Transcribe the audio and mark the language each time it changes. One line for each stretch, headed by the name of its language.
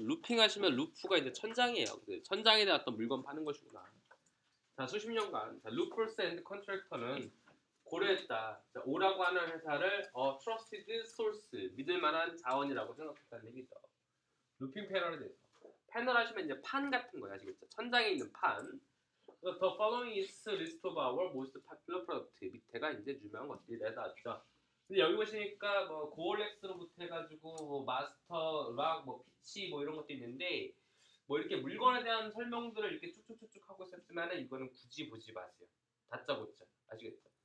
Korean: 루핑 하시면 루프가 이제 천장이에요. 천장에 나왔던 물건 파는 것이구나. 자, 수십 년간 자, 루퍼스 앤드 컨트랙터는 고려했다. 자, 오라고 하는 회사를 트러스티드 소스, 믿을 만한 자원이라고 생각했다는 얘기죠. 루핑 패널에 대해서. 패널 하시면 이제 판 같은 거 아시겠죠? 천장에 있는 판.
English: The following is list of our most popular product.
Korean: 밑에가 이제 유명한 것들이 내다왔죠. 근데 여기 보시니까 뭐 고얼렉스로부터 해가지고 뭐 마스터, 락, 뭐 피치 뭐 이런 것도 있는데 뭐 이렇게 물건에 대한 설명들을 이렇게 쭉쭉쭉쭉 하고 있었지만은 이거는 굳이 보지 마세요. 다짜고짜 아시겠죠?